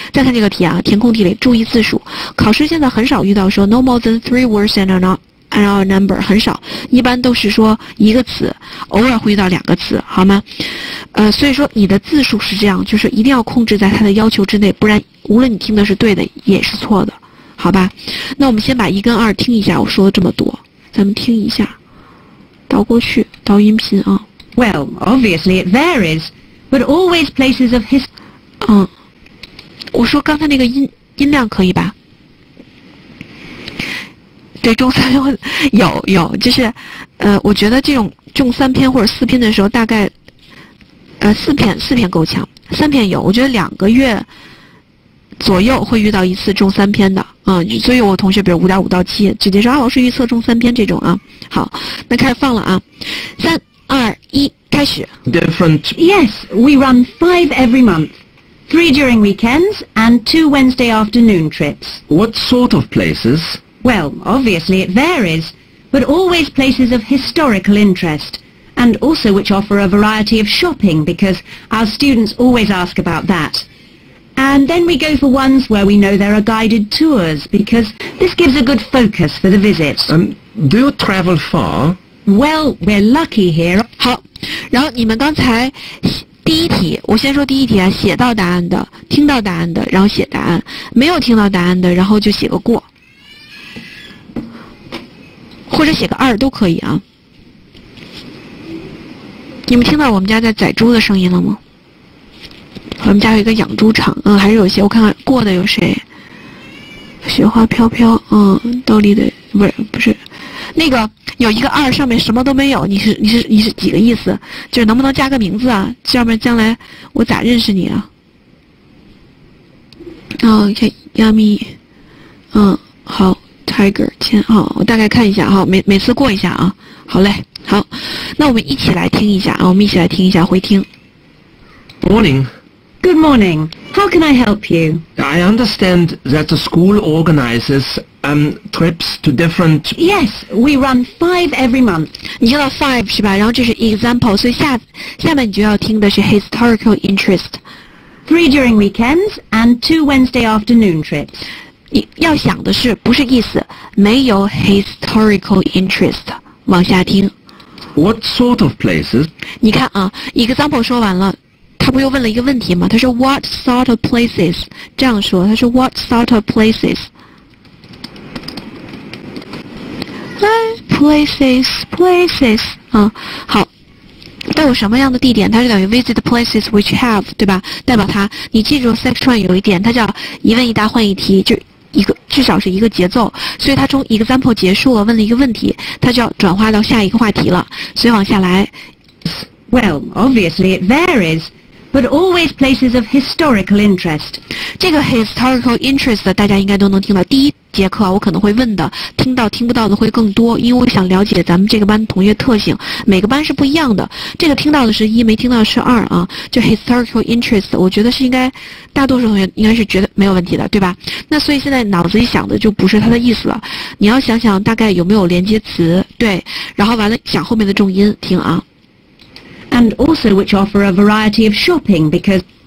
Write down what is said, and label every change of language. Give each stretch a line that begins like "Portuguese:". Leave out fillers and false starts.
Chinese: 再看这个题啊，填空题里注意字数，考试现在很少遇到说
English: no more than 3 words and our number，
Chinese: 很少，一般都是说一个词，偶尔会遇到2个词，好吗？所以说你的字数是这样，就是一定要控制在它的要求之内，不然无论你听的是对的也是错的，好吧。那我们先把一跟二听一下，我说了这么多，咱们听一下，倒过去倒音频啊。
English: Well, obviously it varies, but always places of his.
Chinese: 嗯，我说刚才那个音量可以吧？对，中三篇有，就是，我觉得这种中三篇或者4篇的时候，大概，四篇够呛，3篇有，我觉得2个月。左右会遇到一次中3篇的，嗯，所以我同学比如5.5到7，直接说啊，老师预测中3篇这种啊。好，那开始放了啊，3、2、1，开始。
English: Different. Yes, we run 5 every month, 3 during weekends and 2 Wednesday afternoon trips. What sort of places? Well, obviously it varies, but always places of historical interest, and also which offer a variety of shopping, because our students always ask about that. And then we go for ones where we know there are guided tours, because this gives a good focus for the visit. Do you travel far? Well, we're lucky here.
Chinese: 好，然后你们刚才第一题，我先说第一题啊，写到答案的，听到答案的，然后写答案，没有听到答案的，然后就写个过，或者写个二都可以啊。你们听到我们家在宰猪的声音了吗？我们家有一个养猪场，嗯，还是有些。我看看过的有谁？雪花飘飘，嗯，倒立的不是不是，那个有一个二，上面什么都没有。你是几个意思？就是能不能加个名字啊？要不然将来我咋认识你啊？哦 ，Yummy， 嗯，好 ，Tiger 千，好，我大概看一下哈，每次过一下啊，好嘞，好，那我们一起来听一下啊，我们一起来听一下回听。
English: Morning。 Good morning. How can I help you? I understand that the school organizes, trips to different... Yes, we run 5 every month.
Chinese: 你听到 5 是吧？然后这是 example, 所以下面你就要听的是
English: historical interest. 3 during weekends and 2 Wednesday afternoon trips.
Chinese: 要想的是不是意思没有
English: historical interest.
Chinese: 往下听。
English: What sort of places?
Chinese: 你看啊 ,example 说完了。他不又问了一个问题吗？他说
English: What sort of places?
Chinese: 这样说，他说
English: What sort of places?
Chinese: Places 啊、嗯，好，都有什么样的地点？它是等于
English: visit places which have
Chinese: 对吧？代表它，你记住 section 有一点，它叫一问一答换一题，就一个至少是一个节奏。所以它从 example 结束了，问了一个问题，它就要转化到下一个话题了。所以往下来
English: ，Well, obviously it varies. But always places of historical interest.
Chinese: 这个
English: historical interest
Chinese: 大家应该都能听到。第一节课我可能会问的，听到听不到的会更多，因为我想了解咱们这个班同学特性，每个班是不一样的。这个听到的是一，没听到的是二啊。就
English: historical interest，
Chinese: 我觉得是应该大多数同学应该是觉得没有问题的，对吧？那所以现在脑子里想的就不是它的意思了。你要想想大概有没有连接词，对，然后完了想后面的重音，听啊。
English: And also which offer a variety of shopping because